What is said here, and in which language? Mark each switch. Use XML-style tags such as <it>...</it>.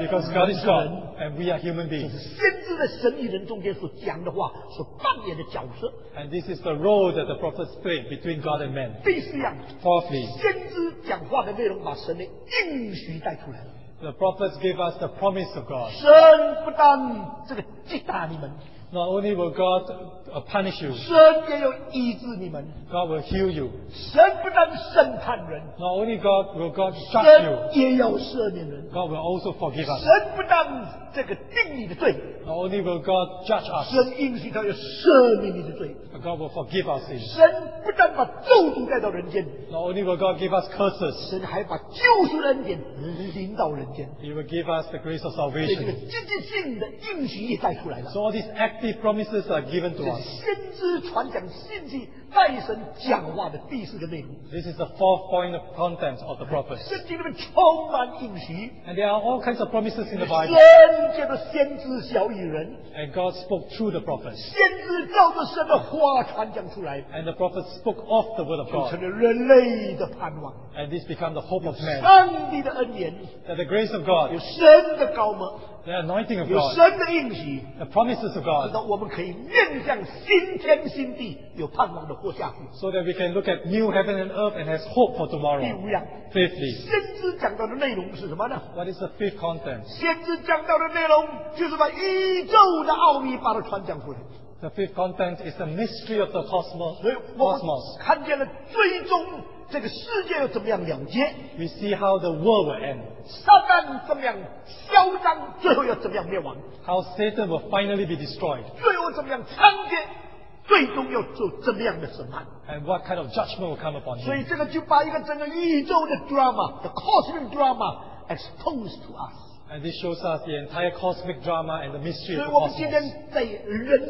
<en>Because God is God, and we are human beings.</en> <zh>这是先知的神与人中间所讲的话,</zh> <en>and this is the role that the prophets play between God and man.</en> <zh>必须要,</zh> <en>fourthly,</en> <zh>先知讲话的内容把神的应许带出来了。</zh> <en>The prophets give us the promise of God.</en> <zh>神不但这个击打你们,</zh> <en>not only will God punish you,</en> <zh>神也有医治你们,</zh> <en>God will heal you.</en> <zh>神不但审判人,</zh> <en>not only God will God judge you,</en> <zh>神也要赦免人,</zh> <en>God will also forgive us.</en> <zh>神不但这个定你的罪,</zh> <en>not only will God judge us,</en> <zh>神应许他要赦免你的罪,</zh> <en>but God will forgive our sins.</en> <zh>神不但把咒诅带到人间,</zh> <en>not only will God give us curses,</en> <zh>神还把救赎的恩典临到人间,</zh> <en>He will give us the grace of salvation.</en> <zh>这个积极性的应许也带出来了,</zh> <en>so all these active promises are given to us.</en> <zh>先知传讲信息, 带神讲话的第四个内容,</zh> <en>this is the fourth point of contents of the prophets.</en> <zh>圣经里面充满应许,</zh> <en>and there are all kinds of promises in the Bible.</en> <zh>先接着先知小语人,</zh> <en>and God spoke through the prophets.</en> <zh>先知照着神的话传讲出来,</zh> <en>and the prophets spoke off the word of God.</en> <zh>就成了人类的盼望,</zh> <en>and this became the hope of man.</en> <zh>上帝的恩典,</zh> <en>that the grace of God,</en> <zh>有神的膏抹,</zh> <en>the anointing of God,</en> <zh>有神的应许,</zh> <en>the promises of God,</en> <zh>使得我们可以面向新天新地, 有盼望的活下去,</zh> <en>so that we can look at new heaven and earth and has hope for tomorrow.</en> <zh>第五样,</zh> <en>fifthly,</en> <zh>先知讲到的内容是什么呢?</zh> <en>What is the fifth content?</en> <zh>先知讲到的内容就是把宇宙的奥秘把它传讲出来。</zh> <en>The fifth content is the mystery of the cosmos.</en> <zh>所以我们看见了最终, 这个世界又怎么样了结?</zh> <en>We see how the world will end.</en> <zh>撒旦怎么样嚣张, 最后又怎么样灭亡?</zh> <en>How Satan will finally be destroyed.</en> <zh>最后怎么样猖獗, 最终又做怎么样的审判?</zh> <en>And what kind of judgment will come upon him?</en> <zh>所以这个就把一个整个宇宙的 drama,</zh> <en>the cosmic drama, exposed to us. And this shows us the entire cosmic drama and the mystery of the</en>